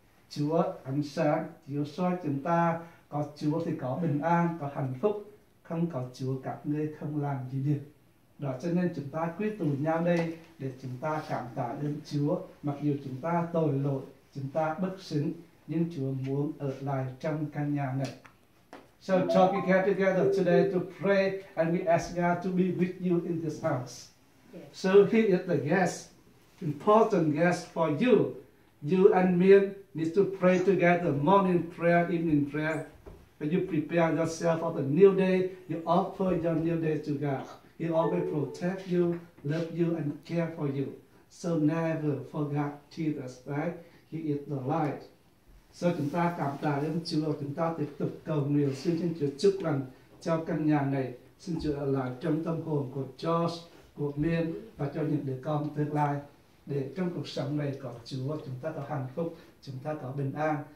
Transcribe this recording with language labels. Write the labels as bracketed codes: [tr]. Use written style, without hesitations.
[vi] Chúa ánh sáng, Chúa soi chúng ta, có Chúa thì có bình an, có hạnh phúc, không có Chúa các ngươi không làm gì được. Đó cho nên chúng ta quy tụ nhau đây để chúng ta cảm tạ ơn Chúa, mặc dù chúng ta tội lỗi, chúng ta bất xứng, nhưng Chúa muốn ở lại trong căn nhà này. [en] So talking together today to pray and we ask God to be with you in this house. So he is the guest, important guest for you. You and me need to pray together, morning prayer, evening prayer. When you prepare yourself for the new day, you offer your new day to God. He always protect you, love you, and care for you. So never forget Jesus, right? He is the light. [vi] So chúng ta cảm tạ ơn Chúa, chúng ta tiếp tục cầu nguyện, xin Thiên Chúa chúc lành cho căn nhà này, xin Chúa ở lại trong tâm hồn của Josh, của Miên và cho những đứa con tương lai. Để trong cuộc sống này có Chúa, chúng ta có hạnh phúc, chúng ta có bình an.